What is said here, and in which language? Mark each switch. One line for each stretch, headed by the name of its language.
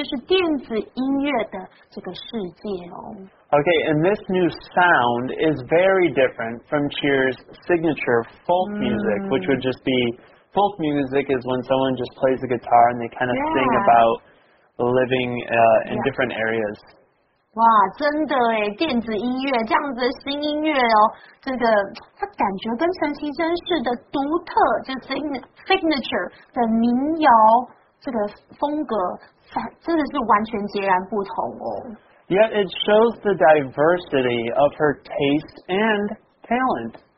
Chinese: 就是电子音乐的这个世界哦。
English: Okay, and this new sound is very different from Cher's signature folk music, which would just be... Folk music is when someone just plays a guitar and they kind of sing about living in different areas.
Chinese: 哇，真的耶，电子音乐，这样子的新音乐哦，这个它感觉跟陈绮贞似的独特，就 signature 的民谣这个风格，真的是完全截然不同哦。
English: Yet it shows the diversity of her taste and talent.